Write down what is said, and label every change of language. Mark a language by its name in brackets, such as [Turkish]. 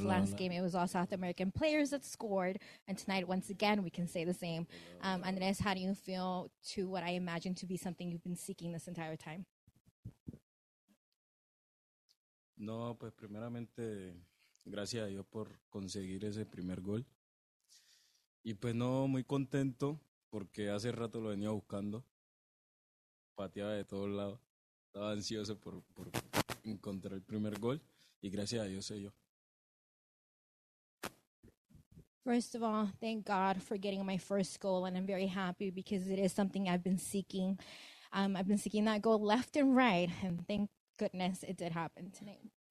[English] Last game, it was all South American players that scored. And tonight, once again, we can say the same. Andres, how do you feel to what I imagine to be something you've been seeking this entire time? [Spanish] No, pues primeramente, gracias a Dios por conseguir ese primer gol. Y pues no, muy contento, porque hace rato lo venía buscando. Pateaba de todos lados. Estaba ansioso por encontrar el primer gol, y gracias a Dios se dio. [English] First of all, thank God for getting my first goal, and I'm very happy because it is something I've been seeking. I've been seeking that goal left and right, and thank goodness it did happen tonight.